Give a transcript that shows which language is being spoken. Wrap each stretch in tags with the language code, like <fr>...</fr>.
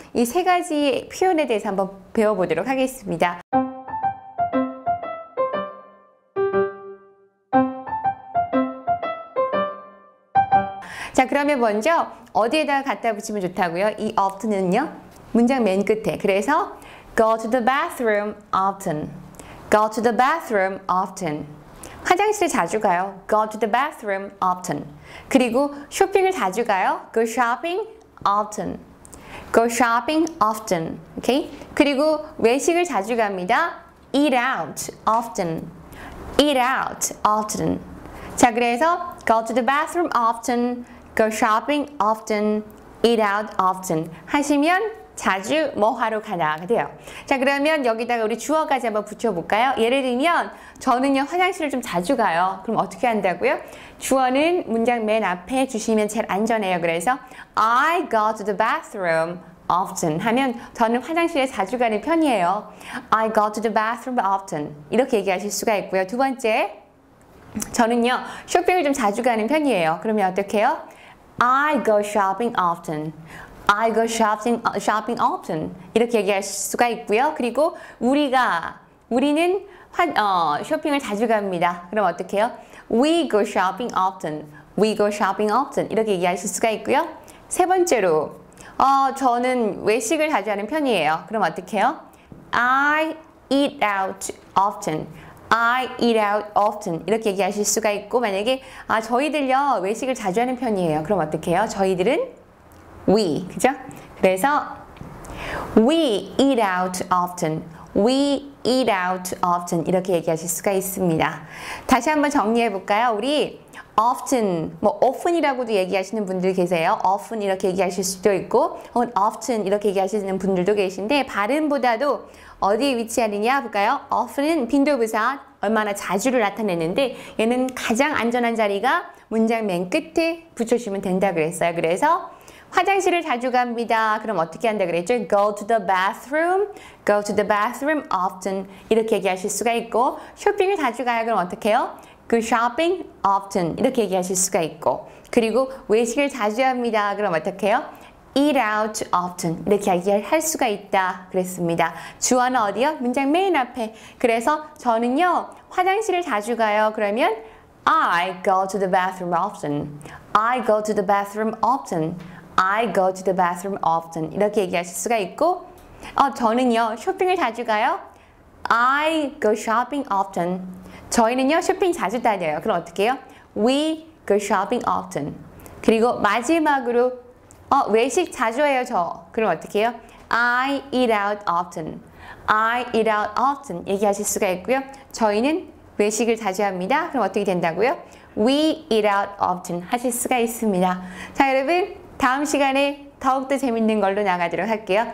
<ko>이 세 가지 표현에 대해서 한번 배워보도록 하겠습니다. 자, 그러면 먼저 어디에다 갖다 붙이면 좋다고요? 이 often은요? 문장 맨 끝에. 그래서</ko> <en>go to the bathroom often. go to the bathroom often.</en> <ko>화장실에 자주 가요.</ko> <en>go to the bathroom often.</en> <ko>그리고 쇼핑을 자주 가요.</ko> <en>go shopping often. go shopping often. okay?</en> <ko>그리고 외식을 자주 갑니다.</ko> <en>eat out often. eat out often.</en> <ko>자, 그래서</ko> <en>go to the bathroom often. go shopping often, eat out often</en> <ko>하시면 자주 뭐 하러 가나가 돼요. 자, 그러면 여기다가 우리 주어까지 한번 붙여볼까요? 예를 들면 저는요 화장실을 좀 자주 가요. 그럼 어떻게 한다고요? 주어는 문장 맨 앞에 주시면 제일 안전해요. 그래서</ko> <en>I go to the bathroom often</en> <ko>하면 저는 화장실에 자주 가는 편이에요.</ko> <en>I go to the bathroom often</en> <ko>이렇게 얘기하실 수가 있고요. 두 번째 저는요 쇼핑을 좀 자주 가는 편이에요. 그러면 어떡해요?</ko> <en>I go shopping often. I go shopping often.</en> <ko>이렇게 얘기할 수가 있고요. 그리고 우리는 쇼핑을 자주 갑니다. 그럼 어떡해요?</ko> <en>We go shopping often. We go shopping often.</en> <ko>이렇게 얘기하실 수가 있고요. 세 번째로 저는 외식을 자주 하는 편이에요. 그럼 어떡해요?</ko> <en>I eat out often. I eat out often</en> <ko>이렇게 얘기하실 수가 있고 만약에 저희들요 외식을 자주 하는 편이에요. 그럼 어떡해요? 저희들은 we 그죠? 그래서</ko> <en>we eat out often. we eat out often</en> <ko>이렇게 얘기하실 수가 있습니다. 다시 한번 정리해 볼까요? 우리 often 뭐 often이라고도 얘기하시는 분들 계세요. often 이렇게 얘기하실 수도 있고 혹은 often 이렇게 얘기하시는 분들도 계신데 발음보다도 어디에 위치하느냐 볼까요? often은 빈도부사 얼마나 자주를 나타내는데 얘는 가장 안전한 자리가 문장 맨 끝에 붙여주시면 된다 그랬어요. 그래서 화장실을 자주 갑니다. 그럼 어떻게 한다 그랬죠?</ko> <en>Go to the bathroom. Go to the bathroom often.</en> <ko>이렇게 얘기하실 수가 있고 쇼핑을 자주 가요. 그럼 어떻게 해요?</ko> <en>Go shopping often.</en> <ko>이렇게 얘기하실 수가 있고 그리고 외식을 자주 합니다. 그럼 어떻게 해요?</ko> <en>Eat out often.</en> <ko>이렇게 얘기할 수가 있다 그랬습니다. 주어는 어디요? 문장 맨 앞에. 그래서 저는요 화장실을 자주 가요. 그러면</ko> <en>I go to the bathroom often. I go to the bathroom often. I go to the bathroom often.</en> <ko>이렇게 얘기하실 수가 있고 저는요 쇼핑을 자주 가요.</ko> <en>I go shopping often.</en> <ko>저희는요 쇼핑 자주 다녀요. 그럼 어떻게 해요?</ko> <en>We go shopping often.</en> <ko>그리고 마지막으로 외식 자주 해요 저. 그럼 어떻게 해요?</ko> <en>I eat out often. I eat out often.</en> <ko>얘기하실 수가 있고요. 저희는 외식을 자주 합니다. 그럼 어떻게 된다고요?</ko> <en>We eat out often</en> <ko>하실 수가 있습니다. 자 여러분 다음 시간에 더욱더 재밌는 걸로 나가도록 할게요.</ko>